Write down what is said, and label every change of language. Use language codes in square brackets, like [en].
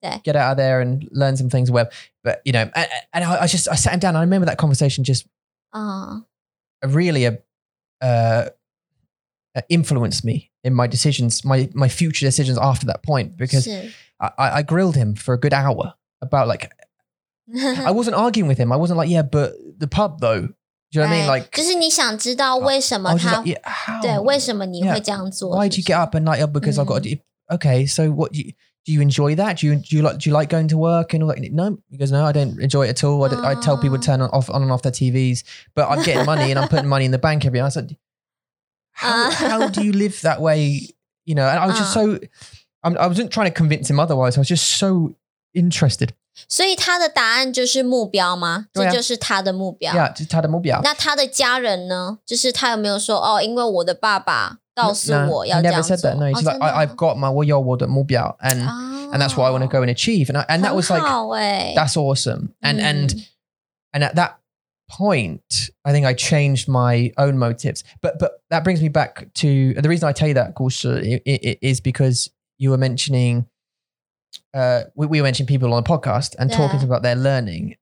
[en] get out of there and learn some things web but you know and I sat him down and I remember that conversation just influenced me in my decisions my future decisions after that point because I grilled him for a good hour about like I wasn't arguing with him I wasn't like yeah but the pub though do you know what I mean like [zh] 就是你想知道为什么他对为什么你会这样做 [en] why do you get up at night because I've got to, okay so what youdo you enjoy that? Do you like going to work and all that? No, he goes, no, I don't enjoy it at all. I tell people to turn on and off their TVs, but I'm getting money and I'm putting money in the bank every year. I said, how do you live that way? You know, and I was just so, I wasn't trying to convince him otherwise. I was just so interested. [zh] 所以他的答案就是目标吗？这就是他的目标。 Yeah, 就是他的目标。那他的家人呢？就是他有没有说哦，因为我的爸爸。 [en] No, he never said that. No, he's like, I've got my [zh] 我有我的目标 [en] and that's what I want to go and achieve. And that was like, that's awesome. And at that point, I think I changed my own motives. But that brings me back to, the reason I tell you that, Gusha, is because you were mentioning, we mentioned people on the podcast and talking about their learning.